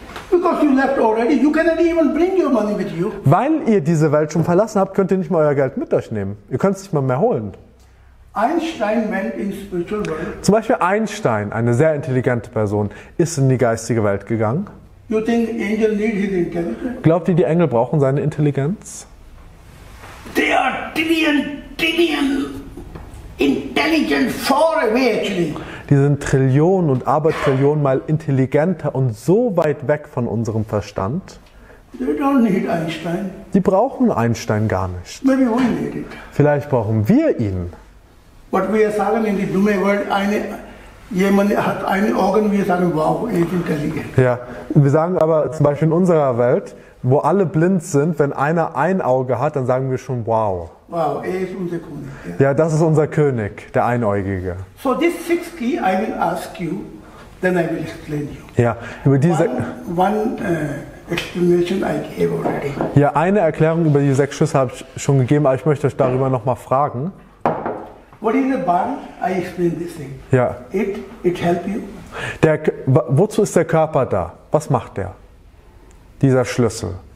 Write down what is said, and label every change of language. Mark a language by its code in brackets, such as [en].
[en] Because you left already, you cannot even bring your money with you. [de] Weil ihr diese Welt schon verlassen habt, könnt ihr nicht mal euer Geld mit euch nehmen. Ihr könnt es nicht mal mehr holen. [en] Einstein went in spiritual world. [de] Zum Beispiel Einstein, eine sehr intelligente Person, ist in die geistige Welt gegangen. [en] You think angel need his intelligence? [de] Glaubt ihr, die Engel brauchen seine Intelligenz? [en] They are trillion intelligent far away actually. [de] Die sind Trillionen und Abertrillionen mal intelligenter und so weit weg von unserem Verstand. [en] They don't need Einstein. [de] Die brauchen Einstein gar nicht. [en] Maybe we need it. [de] Vielleicht brauchen wir ihn. [en] What we are saying in the dumme world, [de] jemand hat ein Organ, wir sagen, wow, er ist intelligent. Ja, wir sagen aber zum Beispiel in unserer Welt, wo alle blind sind, wenn einer ein Auge hat, dann sagen wir schon, wow. Wow, er ist unser König. Ja, ja, das ist unser König, der Einäugige. [en] So, this sixth key I will ask you, then I will explain you. [de] Ja, über diese... [en] One explanation I gave already. [de] Ja, eine Erklärung über die sechs Schüsse habe ich schon gegeben, aber ich möchte euch darüber nochmal fragen. [en] What is the body? I explain this thing. [de] Ja. [en] It help you. [de] Wozu ist der Körper da? Was macht der? Dieser Schlüssel.